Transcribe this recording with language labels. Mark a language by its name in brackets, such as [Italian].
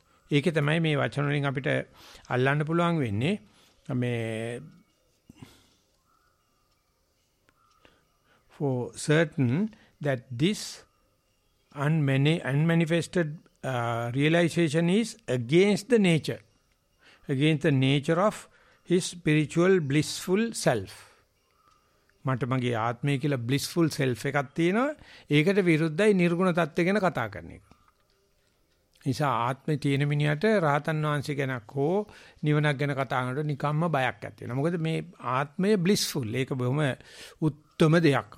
[Sinhala] ඒකේ තමයි මේ වචන වලින් අපිට අල්ලන්න පුළුවන් වෙන්නේ මේ [English] for certain that this unmanifested realization is against the nature. Against the nature of his spiritual blissful self. [Sinhala] මට මගේ ආත්මය කියලා blissful self එකක් තියෙනවා. ඒකට විරුද්ධයි නිර්ගුණ தත්ත්වය ගැන කතා කරන එක. නිසා ආත්මේ තියෙන මිනිහට රහතන් වහන්සේ ගැන හෝ නිවනක් ගැන කතා කරනකොට නිකම්ම බයක් ඇති වෙනවා. මොකද මේ ආත්මය blissful. ඒක බොහොම උත්තරම දෙයක්.